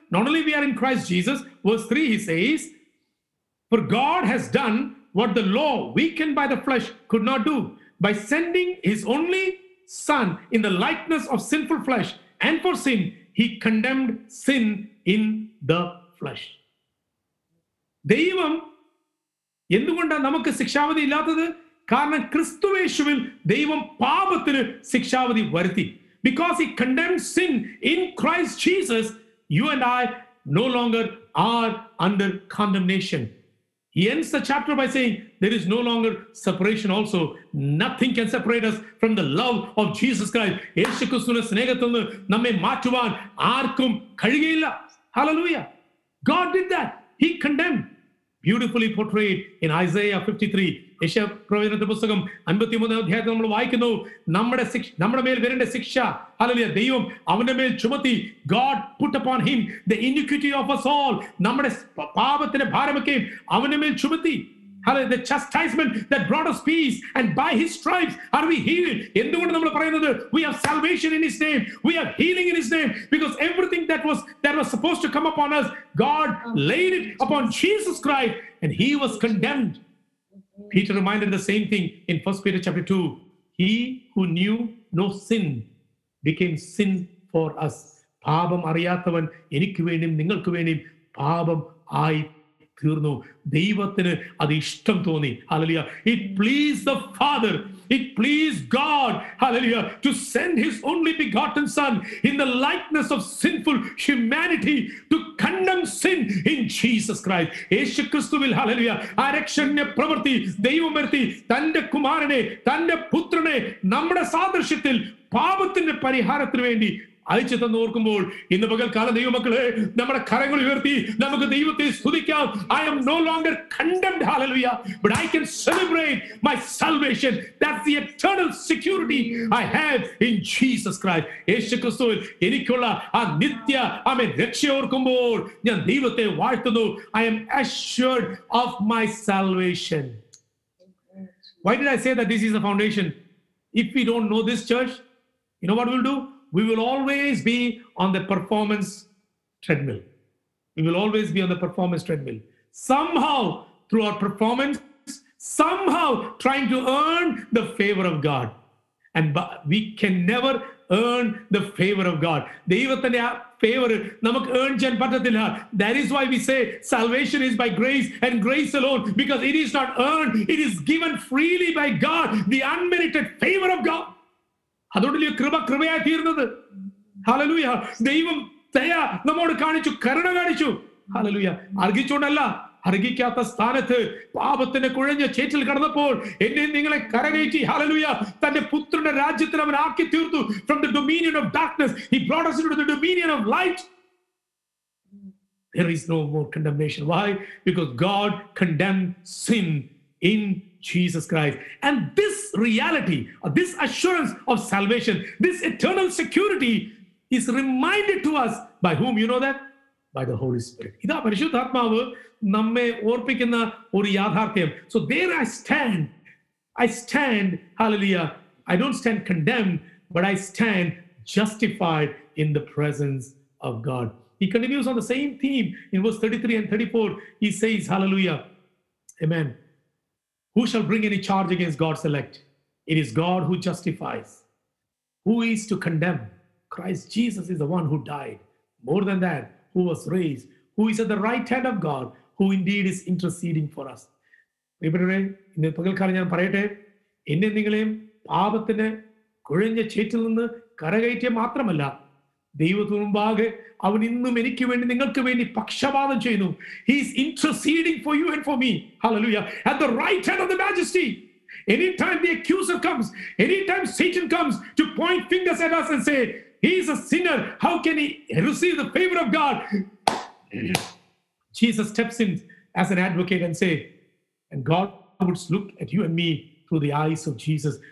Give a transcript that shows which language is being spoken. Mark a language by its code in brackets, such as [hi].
[en] Not only we are in Christ Jesus, verse 3, he says, for God has done what the law, weakened by the flesh, could not do, by sending his only Son in the likeness of sinful flesh, and for sin, he condemned sin in the flesh. [ml] ദൈവം എന്തുകൊണ്ടാണ് നമുക്ക് ശിക്ഷാവധി ഇല്ലാത്തത്? കാരണം ക്രിസ്തുയേശുവിൽ ദൈവം പാപത്തിന് ശിക്ഷാവധി വരുത്തി. [en] Because he condemned sin in Christ Jesus, you and I no longer are under condemnation. He ends the chapter by saying, there is no longer separation also. Nothing can separate us from the love of Jesus Christ. [ml] യേശുക്രിസ്തുവിന്റെ സ്നേഹത്തിൽ നിന്ന് നമ്മെ മാറ്റുവാൻ ആർക്കും കഴിയുകയില്ല. Hallelujah. [en] God did that. He condemned, beautifully portrayed in Isaiah 53. [ml] Yeshaya പ്രവചനത്തിന്റെ പുസ്തകം 53 അധ്യായത്തിൽ നമ്മൾ വായിക്കുന്നു, നമ്മുടെ മേൽ വരേണ്ട ശിക്ഷ, hallelujah, ദൈവം അവന്റെ മേൽ ചുമത്തി. [en] God put upon him the iniquity of us all, [ml] നമ്മുടെ പാപത്തിന്റെ ഭാരമൊക്കെയും അവന്റെ മേൽ ചുമത്തി. [en] Hallelujah. The chastisement that brought us peace, and by his stripes are we healed. [ml] എന്തുകൊണ്ട് നമ്മൾ പറയുന്നത്? [en] We have salvation in his name. We have healing in his name. Because everything that was supposed to come upon us, God laid it upon Jesus Christ, and he was condemned. Peter reminded the same thing in 1 Peter chapter 2. He who knew no sin became sin for us. [ml] പാപം അറിയാത്തവൻ എനിക്ക് വേണ്ടിയും നിങ്ങൾക്ക് വേണ്ടിയും പാപം ആയി തീർന്നു. ദൈവത്തിന് അത് ഇഷ്ടം തോന്നി. [en] Hallelujah. It please the father, it please God, hallelujah, to send his only begotten son in the likeness of sinful humanity to condemn sin in Jesus Christ. [ml] യേശുക്രിസ്തുവിൽ, ഹല്ലേലൂയ, ആ രക്ഷണ്യ പ്രവൃത്തി ദൈവം വരുത്തി തന്റെ കുമാരനെ, തന്റെ പുത്രനെ നമ്മുടെ സാദൃശ്യത്തിൽ പാപത്തിന്റെ പരിഹാരത്തിന് വേണ്ടി അയച്ചു തന്നു. ഓർക്കുമ്പോൾ ഇന്ന് പകൽക്കാല ദൈവമക്കളെ, നമ്മുടെ കരങ്ങൾ ഉയർത്തി നമുക്ക് ദൈവത്തെ സ്തുതിക്കാം. [en] I am no longer condemned, hallelujah, but I can celebrate my salvation. That's the eternal security I have in Jesus Christ. [ml] യേശുക്രിസ്തുവിൽ എനിക്കുള്ള ആ നിത്യ ആമേൻ രക്ഷ ഓർക്കുമ്പോൾ ഞാൻ ദൈവത്തെ വാഴ്ത്തുന്നു. [en] I am assured of my salvation. Why did I say that this is the foundation? If we don't know this, church, you know what we'll do? We will always be on the performance treadmill. We will always be on the performance treadmill. Somehow, through our performance, somehow trying to earn the favor of God. And we can never earn the favor of God. [ml] ദൈവത്തിന്റെ favour നമുക്ക് earn ചെയ്യാൻ പറ്റത്തില്ല. [en] That is why we say salvation is by grace and grace alone. Because it is not earned, it is given freely by God. The unmerited favor of God. [ml] അതുകൊണ്ട് കൃപ കൃപയായി തീരുന്നത്. [en] Hallelujah. [ml] ദൈവം ദയ നമ്മോട് കാണിച്ചു, കരുണ കാണിച്ചു. ഹല്ലേലൂയ. അർഹിച്ചുകൊണ്ടല്ല, അർഹിക്കാത്ത സ്ഥാനത്ത് പാപത്തിന് കുഴഞ്ഞ ചേറ്റിൽ കടന്നപ്പോൾ എന്നെ നിങ്ങളെ കരകയറ്റി, ഹല്ലേലൂയ, തന്റെ പുത്രന്റെ രാജ്യത്തിൽ അവൻ ആക്കി തീർത്തു. [en] From the dominion of darkness, he brought us into the dominion of light. There is no more condemnation. Why? Because God condemned sin in Jesus Christ. And this reality, this assurance of salvation, this eternal security is reminded to us by whom? You know that? By the Holy Spirit. [ml] ഇതാ പരിശുദ്ധാത്മാവ് നമ്മെ ഓർപ്പിക്കുന്ന ഒരു യാഥാർത്ഥ്യം. [en] So there I stand, hallelujah, I don't stand condemned, but I stand justified in the presence of God. He continues on the same theme in verse 33 and 34. He says, hallelujah, amen. Who shall bring any charge against God's elect? It is God who justifies. Who is to condemn? Christ Jesus is the one who died. More than that, who was raised, who is at the right hand of God, who indeed is interceding for us. [ml] പ്രിയപ്പെട്ടവരെ, ഇന്ന് പകൽക്കാലം ഞാൻ പറയട്ടെ, എന്നെ നിങ്ങളെയും പാപത്തിന് കുഴഞ്ഞ ചേറ്റിൽ നിന്ന് കരകയറ്റിയ മാത്രമല്ല, ദൈവത്തിന് മുമ്പാകെ അവൻ ഇന്നും എനിക്ക് വേണ്ടി നിങ്ങൾക്ക് വേണ്ടി പക്ഷപാതം ചെയ്യുന്നു. [en] He is interceding for you and for me. Hallelujah. At the right hand of the majesty. Anytime the accuser comes, anytime Satan comes to point fingers at us and say, he's a sinner, how can he receive the favor of God? Jesus steps in as an advocate and say, and God would look at you and me through the eyes of Jesus.